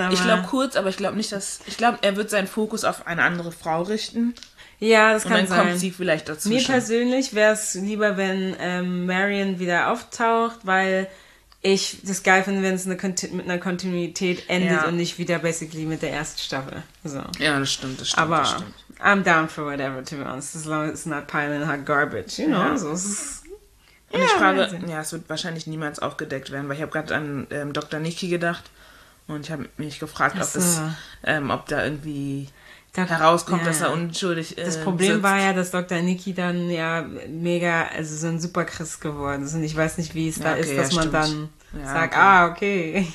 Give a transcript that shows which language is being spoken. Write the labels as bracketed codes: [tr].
[de] Aber ich glaube kurz, aber ich glaube nicht, dass. Ich glaube, er wird seinen Fokus auf eine andere Frau richten. Ja, das kann sein. Und dann kommt sie vielleicht dazu. Mir persönlich wäre es lieber, wenn Marion wieder auftaucht, weil ich das geil finde, wenn es mit einer Kontinuität endet und nicht wieder basically mit der ersten Staffel. So. Ja, das stimmt. Aber [en] I'm down for whatever, to be honest. As long as it's not piling hot garbage, you know? So, [de] und ich frage, es wird wahrscheinlich niemals aufgedeckt werden, weil ich habe gerade an Dr. Nikki gedacht und ich habe mich gefragt, ob da irgendwie herauskommt, dass er unschuldig ist. Das Problem war ja, dass Dr. Nikki dann ja mega, also so ein Superchrist geworden ist. Und ich weiß nicht, wie es man dann sagt, okay.